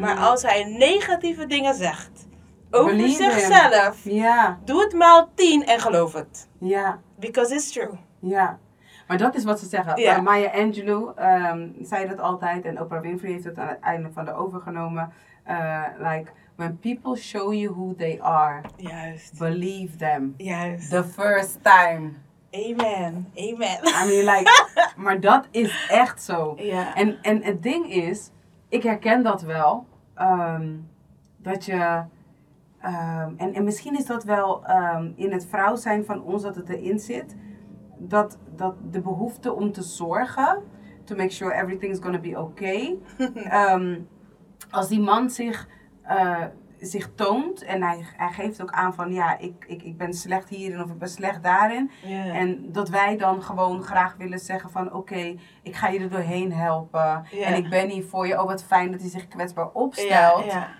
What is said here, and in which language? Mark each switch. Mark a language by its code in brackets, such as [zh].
[nl] Maar als hij negatieve dingen zegt... Over Believe zichzelf. Ja. Doe het maal 10 en geloof het. Ja. [en] Because it's true. [nl] Ja. Maar dat is wat ze zeggen. Ja. Maya Angelou zei dat altijd. En Oprah Winfrey heeft het aan het einde van de overgenomen. [en] Like, when people show you who they are. [nl] Juist. [en] Believe them. [nl] Juist. [en] The first time. Amen. Amen. I mean like, [nl] maar dat is echt zo. Ja. En het ding is, ik herken dat wel. Dat je... En misschien is dat wel in het vrouw zijn van ons dat het erin zit. Dat de behoefte om te zorgen. [en] To make sure everything is gonna be okay. [nl] Als die man zich toont. En hij geeft ook aan van ja, ik ben slecht hierin of ik ben slecht daarin. [en] Yeah. [nl] En dat wij dan gewoon graag willen zeggen van okay, ik ga je er doorheen helpen. [en] Yeah. [nl] En ik ben hier voor je. Oh, wat fijn dat hij zich kwetsbaar opstelt. [en] Yeah, yeah.